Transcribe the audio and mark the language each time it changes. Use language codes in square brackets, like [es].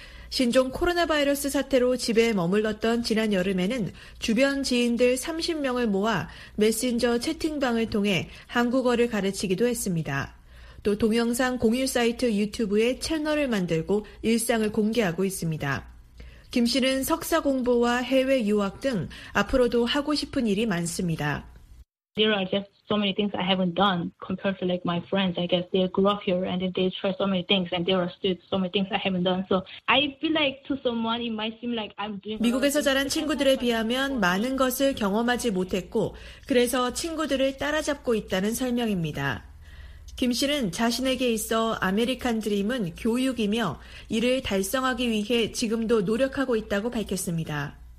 [ko] 신종 코로나 바이러스 사태로 집에 머물렀던 지난 여름에는 주변 지인들 30명을 모아 메신저 채팅방을 통해 한국어를 가르치기도 했습니다. 또 동영상 공유 사이트 유튜브에 채널을 만들고 일상을 공개하고 있습니다. 김 씨는 석사 공부와 해외 유학 등 앞으로도 하고 싶은 일이 많습니다. [en] There are just so many things I haven't done compared to like my friends. I guess they grew up here and they try so many things and there are still so many things I haven't done. So I feel like to someone it might seem like I'm doing. [ko] 미국에서 자란 친구들에 비하면 많은 것을 경험하지 못했고 그래서 친구들을 따라잡고 있다는 설명입니다. 김 씨는 자신에게 있어 아메리칸 드림은 교육이며 이를 달성하기 위해 지금도 노력하고 있다고 밝혔습니다.